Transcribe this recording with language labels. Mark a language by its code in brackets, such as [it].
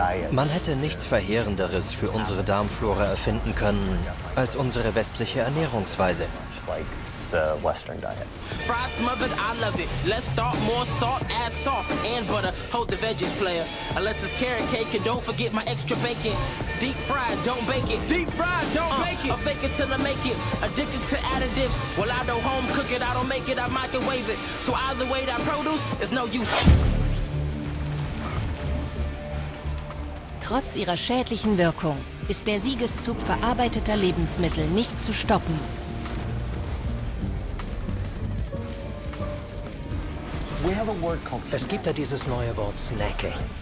[de] Man hätte nichts Verheerenderes für unsere Darmflora erfinden können als unsere westliche Ernährungsweise. [en] like the Western diet. Fried smothered, I love it. Let's start more salt, add sauce and butter. Hold the veggies, player. Unless it's carrot cake, and don't forget my extra bacon. Deep fried, don't bake it. Deep fried, don't bake it. I'll fake it till I make it. Addicted to additives. Well, I don't home cook it. I don't make it. I microwave it. So either way that produce is no use. [de] Trotz ihrer schädlichen Wirkung ist der Siegeszug verarbeiteter Lebensmittel nicht zu stoppen. Es gibt da dieses neue Wort Snacking.